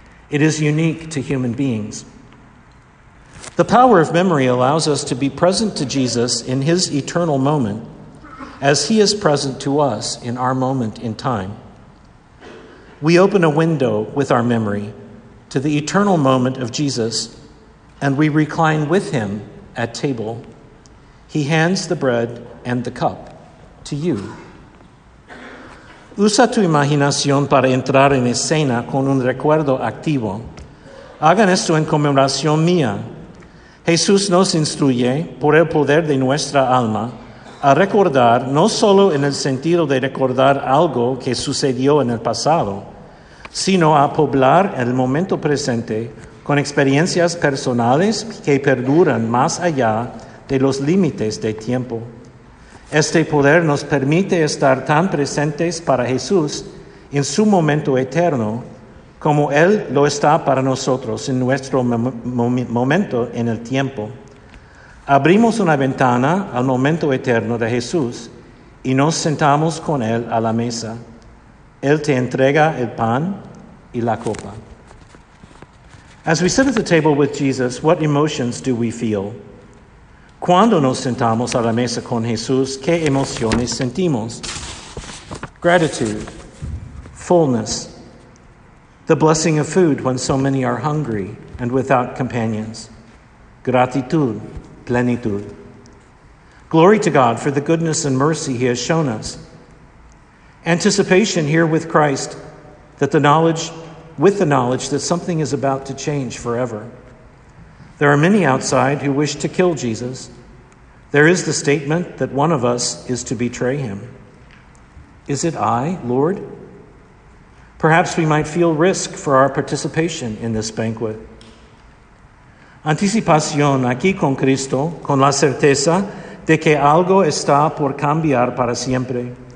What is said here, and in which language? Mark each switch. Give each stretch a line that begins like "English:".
English: It is unique to human beings. The power of memory allows us to be present to Jesus in his eternal moment as he is present to us in our moment in time. We open a window with our memory to the eternal moment of Jesus, and we recline with him at table. He hands the bread and the cup to you
Spanish: Usa tu imaginación para entrar en escena con un recuerdo activo. Hagan esto en conmemoración mía. Jesús nos instruye, por el poder de nuestra alma, a recordar no solo en el sentido de recordar algo que sucedió en el pasado, sino a poblar el momento presente con experiencias personales que perduran más allá de los límites de tiempo. Este poder nos permite estar tan presentes para Jesús en su momento eterno como Él lo está para nosotros en nuestro momento en el tiempo. Abrimos una ventana al momento eterno de Jesús y nos sentamos con Él a la mesa. Él te entrega el pan y la copa.
English: As we sit at the table with Jesus, what emotions do we feel?
Spanish: Cuando nos sentamos a la mesa con Jesús, ¿qué emociones sentimos?
English: Gratitude, fullness, the blessing of food when so many are hungry and without companions.
Spanish: Gratitud, plenitud.
English: Glory to God for the goodness and mercy He has shown us. Anticipation here with Christ, with the knowledge that something is about to change forever. There are many outside who wish to kill Jesus. There is the statement that one of us is to betray him. Is it I, Lord? Perhaps we might feel risk for our participation in this banquet.
Spanish: Anticipación aquí con Cristo, con la certeza de que algo está por cambiar para siempre.